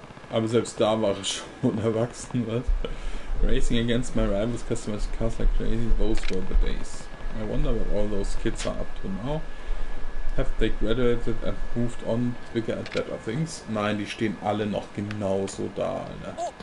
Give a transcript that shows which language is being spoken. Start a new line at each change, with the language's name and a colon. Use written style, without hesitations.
German: Aber selbst da war ich schon erwachsen, was?
English: Racing against my rivals, customers, cars like crazy, those were the days. I wonder what all those kids are up to now. Have they graduated and moved on to bigger and better things?
German: Nein, die stehen alle noch genauso da, Alter.